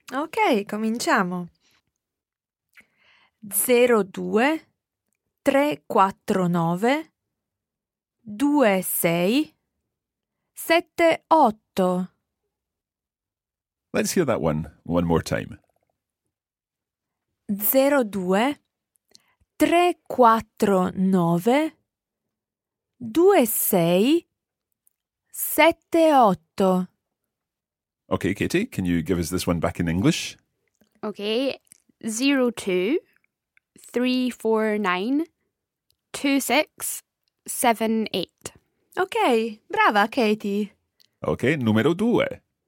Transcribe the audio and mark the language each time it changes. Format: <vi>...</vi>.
<it>Ok, cominciamo. 02 349 26 78.</it> <en>Let's hear that one more time.</en> <it>02 Tre, quattro, nove, due, sei, sette, otto.</it> <en>Okay, Katie, can you give us this one back in English? Okay, 02 349 2678.</en> <it>Okay, brava, Katie. Okay, numero due.</it>